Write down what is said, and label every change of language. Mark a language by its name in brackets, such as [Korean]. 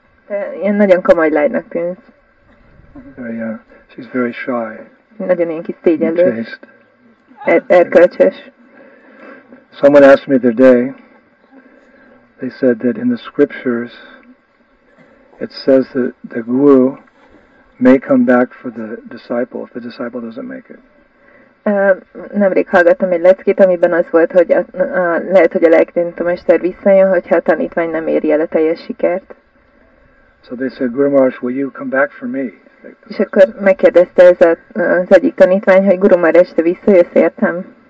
[Hungarian] Ilyen nagyon komoly lánynak tűnsz. [English] Very, she's very shy. [Hungarian] Nagyon ilyen kis szégyellő. [English] Chaste. [Hungarian] Erkölcsös. [English] Someone asked me the day, they said that in the scriptures it says that the guru may come back for the disciple if the disciple doesn't make it. [Hungarian] Nemrég hallgattam egy leckét, amiben az volt, hogy lehet, hogy a lelkitanítómester visszajön, hogyha a tanítvány nem éri el a teljes sikert. [English] So they said, Guru Maharaj, will you come back for me? [Hungarian] És akkor megkérdezte ez az egyik tanítvány, hogy Guru Maharaj, te visszajössz értem?